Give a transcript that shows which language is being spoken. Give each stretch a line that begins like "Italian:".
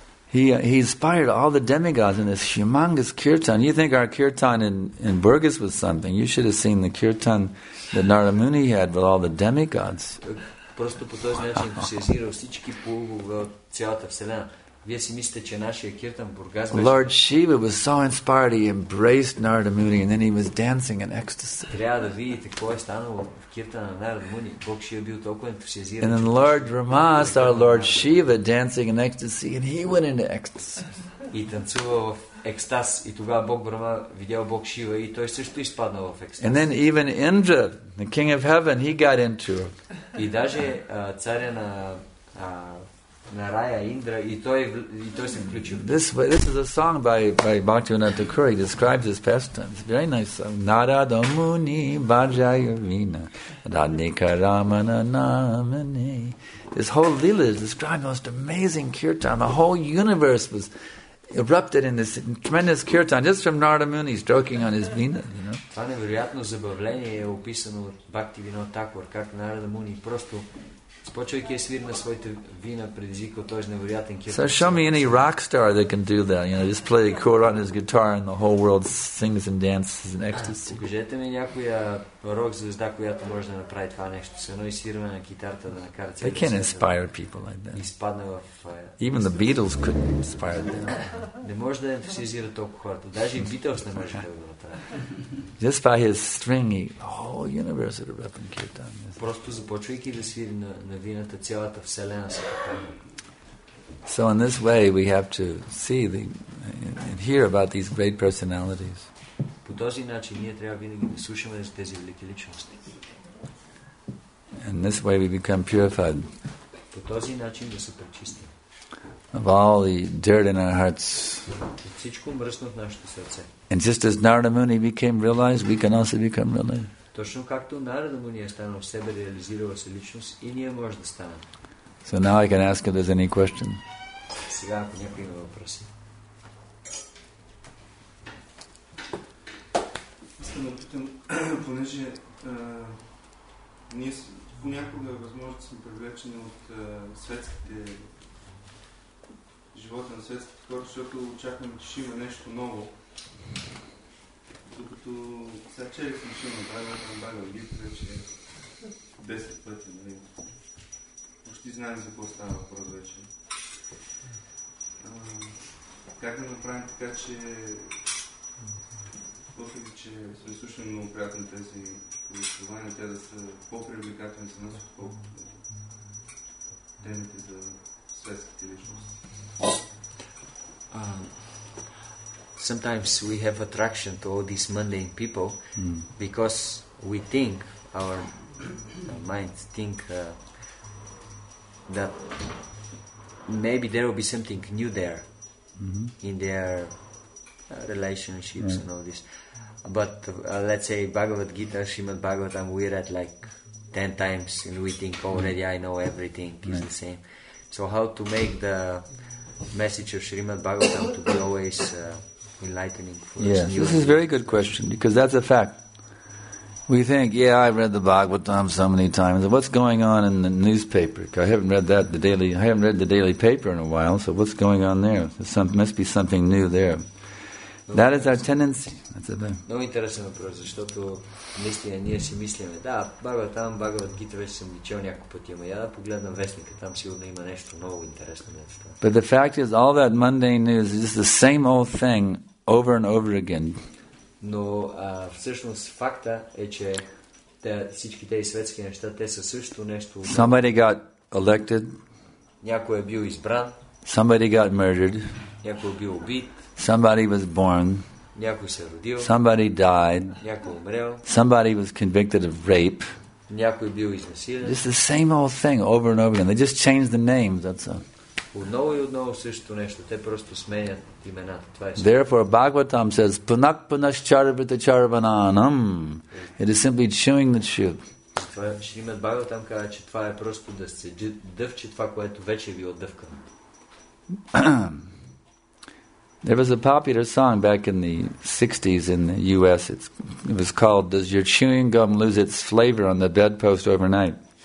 English: He inspired all the demigods in this humongous kirtan. You think our kirtan in Burgas was something. You should have seen the kirtan that Narada Muni had with all the demigods.
Bulgarian: Просто по този начин ентусиазира всички по цялата вселена. Вие си мислите, че нашия киртан в Бургас беше...
English: Lord Shiva was so inspired, he embraced Narada Muni and then he was dancing in ecstasy.
Bulgarian: Трябва да видите какво е станало в киртана на Narada Muni. Бог Шива бил толкова ентусиазиран.
English: And then Lord Rama saw Lord Shiva dancing in ecstasy and he went into ecstasy.
Bulgarian: И танцувал в екстаз. И тогава Бог Рама видял Бог Шива и той също изпаднал в екстаз.
English: And then even Indra, the king of heaven, he got into it.
Bulgarian: И даже царя на... Нарая Индра и той се включил.
English: This is a song by Bhaktivinoda Thakura. He describes his pastime. It's a very nice song.
Bangla: Narada Muni Bhajaya Vina Radhika Ramana Namani.
English: This whole lila is described the most amazing kirtan. The whole universe was erupted in this tremendous kirtan just from Narada Muni stroking on his vina. You know?
Bulgarian: Това невероятно забавление е описано от Bhaktivinoda Thakura, как Narada Muni просто почвайки е свир на своите вина предизвикал този невероятен кирт.
English: So show me any rock star that can do that, you know, just play a chord on his guitar and the whole world sings and dances in ecstasy.
Bulgarian: Покажете ми някоя рок звезда, която може да направи това нещо, с едно и свирване на китарата да накара цялата.
English: They can't inspire people like that.
Bulgarian: Изпадна в...
English: Even the Beatles couldn't inspire them.
Bulgarian: Не може да ентусиазира толкова хората. Даже и Beatles не може да го направи.
English: Just by his string, the whole universe would erupt in kirtan.
Bulgarian: Просто започвайки да свири на вината, цялата вселена се попълва.
English: So in this way we have to see the and hear about these great personalities.
Bulgarian: По този начин ние трябва винаги да слушаме за тези велики личности.
English: And this way we become purified.
Bulgarian: По този начин да се пречистим.
English: Of all the dirt in our hearts.
Bulgarian: От всичко мръсно в нашето сърце.
English: And just as Narada Muni became realized, we can also become realized.
Bulgarian: Точно както Narada Muni е станал в себе реализирала се личност и ние може да станем.
English: So now I can ask if there's any question.
Bulgarian: Сега ако някой има въпроси. Искам да питам, понеже ние понякога възможно сме привлечени от светските живота на светските хора, защото очакваме, че ще има нещо ново. Докато сега черех съм шил на Бхагавата, на Бхагавата, вече 10 пъти, нали? Почти знаем за какво става въпрос вече. Как да направим така, че въпреки, че сме слушали многократно тези повествования, те да са по-привлекателни за нас, отколкото темите за светските личности.
English: Sometimes we have attraction to all these mundane people because we think, our minds think that maybe there will be something new there in their relationships and all this. But let's say Bhagavad Gita, Srimad Bhagavatam, we read like 10 times and we think already I know everything is the same. So how to make the message of Srimad Bhagavatam to be always... enlightening for us. This is a very good question, because that's a fact. We think, yeah, I've read the Bhagavatam so many times. What's going on in the newspaper? I haven't read that, I haven't read the daily paper in a while, so what's going on there? Must be something new there. That is our tendency. That's about it.
Bulgarian: Много интересен въпрос, защото наистина ние си мислиме, да, Бхагаватам, Бхагават Гита вече съм чел няколко пъти, ама я да погледна вестника, там сигурно има нещо много интересно.
English: But the fact is, all that mundane news is just the same old thing over and over again.
Bulgarian: Но всъщност факта е, че всички тези светски неща, те са също нещо...
English: Somebody got elected.
Bulgarian: Някой е бил избран.
English: Somebody got murdered.
Bulgarian: Някой е бил убит.
English: Somebody was born.
Bulgarian: Някой се родил.
English: Somebody died.
Bulgarian: Някой умрел.
English: Somebody was convicted of rape.
Bulgarian: Някой бил изнасилен.
English: Just the same old thing over and over again. They just change the names, that's all.
Bulgarian: Отново и отново същото нещо. Те просто сменят имената. Това е също.
English: Therefore, Bhagavatam says,
Sanskrit: Punak punas charvita charvananam.
English: It is simply chewing the truth.
Bulgarian: Това е, Шримад Бхагаватам казва, че това е просто да се дъвче това, което вече е било дъвкано.
English: There was a popular song back in the 60s in the U.S. It was called, Does Your Chewing Gum Lose Its Flavor on the Bedpost Overnight?